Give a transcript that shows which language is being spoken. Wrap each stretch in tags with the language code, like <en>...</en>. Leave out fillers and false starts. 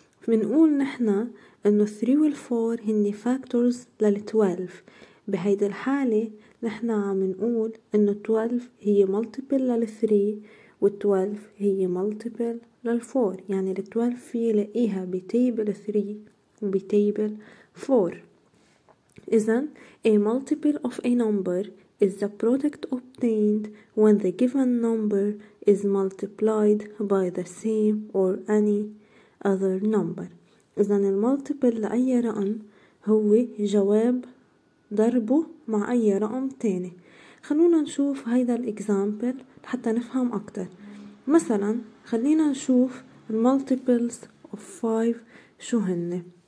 <ar>منقول نحنا إنه 3 وال 4 هني factors لل 12. بهيدا الحالة نحن عم نقول انه 12 هي multiple لل 3 وال 12 هي multiple لل 4, يعني ال 12 في لقيها بتيبل 3 وبتيبل 4.</ar> <en>اذا a multiple of a number is the product obtained when the given number is multiplied by the same or any other number.</en> <ar>اذا ال multiple لأي رقم هو جواب ضربه مع أي رقم تاني. خلونا نشوف هيدا الإكزامبل حتى نفهم أكتر. مثلا خلينا نشوف المالتيبلز of 5 شو هن.</ar>